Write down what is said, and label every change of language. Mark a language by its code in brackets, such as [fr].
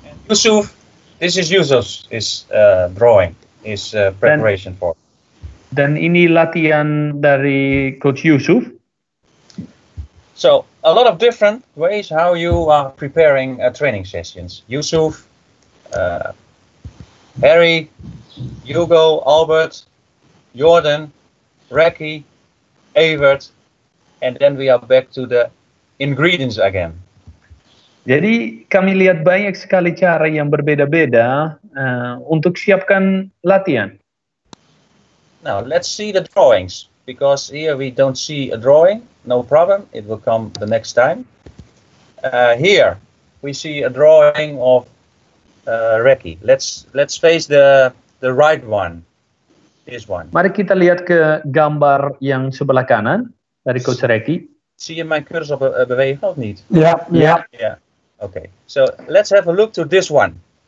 [en] Yusuf, this is Yusuf's drawing, his preparation for. [id] Dan ini latihan dari Coach Yusuf. [en] So, a lot of different ways how you are preparing training sessions. Yusuf, Harry, Hugo, Albert, Jordan, Reki, Evert, and then we are back to the ingredients again. [id] Jadi kami lihat banyak sekali cara yang berbeda-beda untuk siapkan latihan. [en] Now let's see the drawings, because here we don't see a drawing, no problem, it will come the next time. Here we see a drawing of Reki. Let's face the right one. This one. [id] Mari kita lihat ke gambar yang sebelah kanan dari Coach Reki. [en] See in my cursor [nl] bewegen of niet? [en] Yeah. Okay. So let's have a look to this one.